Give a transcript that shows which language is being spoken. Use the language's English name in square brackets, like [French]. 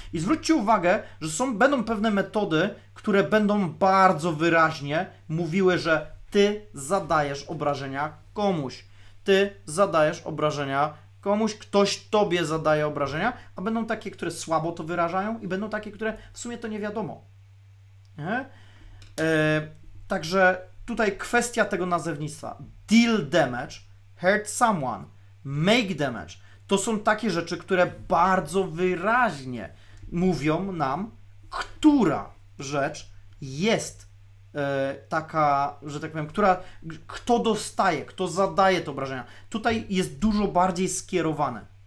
[Polish] I zwróćcie uwagę, że będą pewne metody, które będą bardzo wyraźnie mówiły, że ty zadajesz obrażenia komuś. Ty zadajesz obrażenia komuś, ktoś tobie zadaje obrażenia, a będą takie, które słabo to wyrażają i będą takie, które w sumie to nie wiadomo. Nie? Także tutaj kwestia tego nazewnictwa. [English] Deal damage, hurt someone, make damage. [Polish] To są takie rzeczy, które bardzo wyraźnie mówią nam, która rzecz jest taka, że tak powiem, która, kto dostaje, kto zadaje te obrażenia. Tutaj jest dużo bardziej skierowane.